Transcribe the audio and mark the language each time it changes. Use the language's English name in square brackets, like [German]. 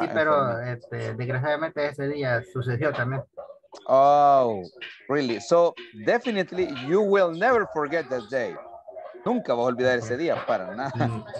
[Spanish] sí, pero este, desgraciadamente ese día sucedió también. [English] Oh, really? So definitely you will never forget that day. [Spanish] Nunca vas a olvidar ese día, para nada.